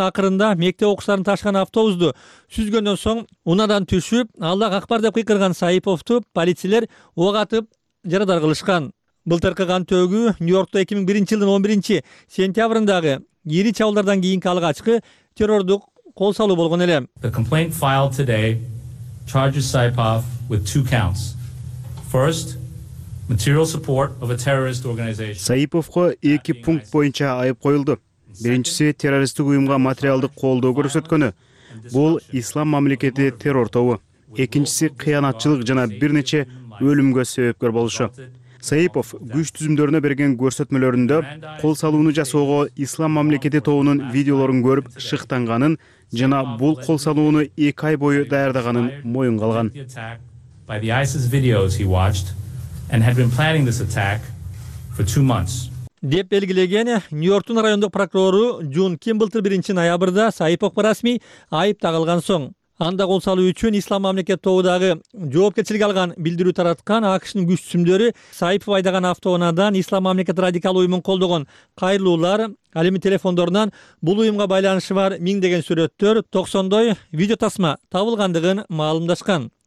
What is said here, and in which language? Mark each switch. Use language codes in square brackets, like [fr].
[ky] Акырында мектеп окуучуларын ташыган автобусту сүзгөндөн соң унаадан түшүп Аллах акбар деп кыйкырган Саиповду полицейлер ок атып жарадар кылышкан. Былтыркы кан төгүү Нью-Йоркто 2001 жылдын 11 сентябрындагы ири чабуулдардан кийинки алгачкы террордук кол салуу болгон эле. [en] The complaint filed today charges Saipov with two counts. First, [ky] Саиповко 2 пункт боюнча айып коюлду. Биринчиси террористтик уюмга материалдык колдоо көрсөткөнү. Бул ислам мамлекети террор тобу. Экинчиси кыянатчылык жана бир нече өлүмгө себепкер болушу. Саипов күч түзүмдөрүнө берген көрсөтмөлөрүндө кол салууну жасоого ислам мамлекети тобунун видеолорун көрүп шыктанганын жана бул кол салууну 2 ай бою даярдаганын моюнга алган. [en] And had been planning this attack for 2 months. [ky] Деп белгилеген Нью-Йорктун райондук прокурору Джун Ким былтыр 1 ноябрда Саиповко расмий айып тагылган соң, анда кол салуу үчүн Ислам мамлекет тобу дагы жоопкерчилик алган билдирүү тараткан АКШнын күч түзүмдөрү Саипов айдаган автоунаадан Ислам мамлекет радикал уюмун колдогон кайрылуулар, ал эми телефондорунан бул уюмга байланышы бар миңдеген сүрөттөр, 90 видео тасма табылгандыгын маалымдашкан.